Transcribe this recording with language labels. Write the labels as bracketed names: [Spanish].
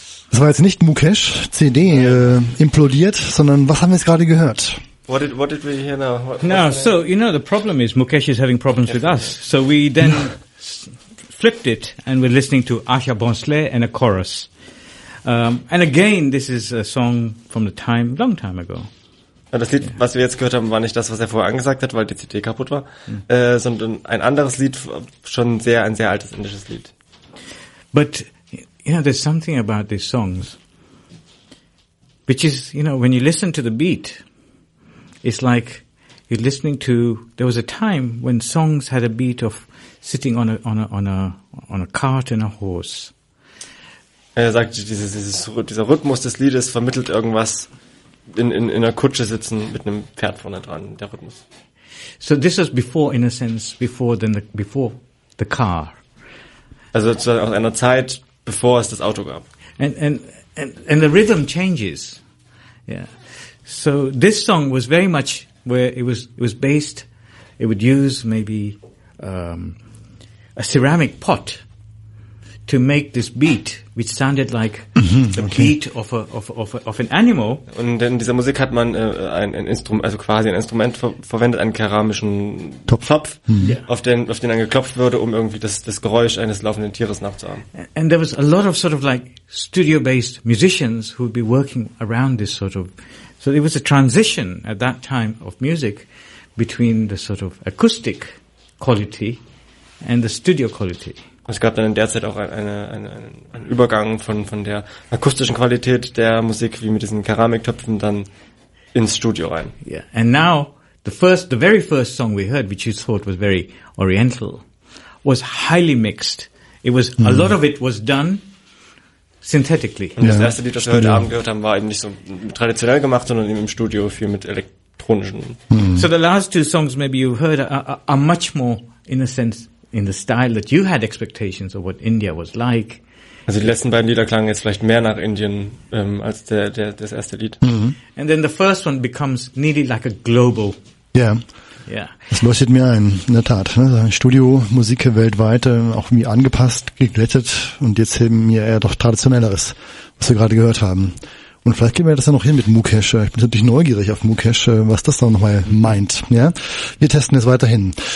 [German] Das war jetzt nicht Mukesh, CD implodiert, sondern was haben wir jetzt gerade gehört? [English] What did we hear now? So, you know, the problem is Mukesh is having problems with us. So we then flipped it and we're listening to Asha Bhonsle and a chorus. And again, this is a song from the time, long time ago. [German] Das Lied, was wir jetzt gehört haben, war nicht das, was er vorher angesagt hat, weil die CD kaputt war, sondern ein anderes Lied, schon ein sehr altes indisches Lied. [English] But, you know, there's something about these songs, which is, you know, when you listen to the beat, it's like you're listening to, there was a time when songs had a beat of sitting on a cart and a horse. [German] Er sagt, dieser Rhythmus des Liedes vermittelt irgendwas, in einer Kutsche sitzen mit einem Pferd vorne dran, der Rhythmus. [English] So this was before, in a sense, before the car. [German] Also aus einer Zeit, bevor es das Auto gab. [English] And the rhythm changes. Yeah. So this song was very much where it was based, it would use maybe a ceramic pot to make this beat, which sounded like the beat of an animal. Und in dieser Musik hat man ein Instrument, also quasi ein Instrument verwendet, einen keramischen Topf auf den dann geklopft wurde, um irgendwie das Geräusch eines laufenden Tieres nachzuahmen. And there was a lot of sort of like studio-based musicians who would be working around this sort of, so it was a transition at that time of music between the sort of acoustic quality and the studio quality. Es gab dann in der Zeit auch einen Übergang von der akustischen Qualität der Musik, wie mit diesen Keramiktöpfen, dann ins Studio rein. Yeah. And now the very first song we heard, which you thought was very oriental, was highly mixed. It was a lot of it was done synthetically. [German] Und das erste Lied, das wir heute Abend gehört haben, war eben nicht so traditionell gemacht, sondern eben im Studio viel mit elektronischen. [English] So the last two songs maybe you've heard are much more in a sense in the style that you had expectations of what India was like. [German] Also die letzten beiden Lieder klangen jetzt vielleicht mehr nach Indien als das erste Lied. Mm-hmm. [English] And then the first one becomes nearly like a global. Yeah. Yeah. [German] Das leuchtet mir ein, in der Tat. Ne? Studio, Musik weltweit, auch irgendwie angepasst, geglättet und jetzt eben mir eher doch traditionelleres, was wir gerade gehört haben. Und vielleicht gehen wir das ja noch hin mit Mukesh. Ich bin natürlich neugierig auf Mukesh, was das da nochmal meint. Ja? Wir testen es weiterhin.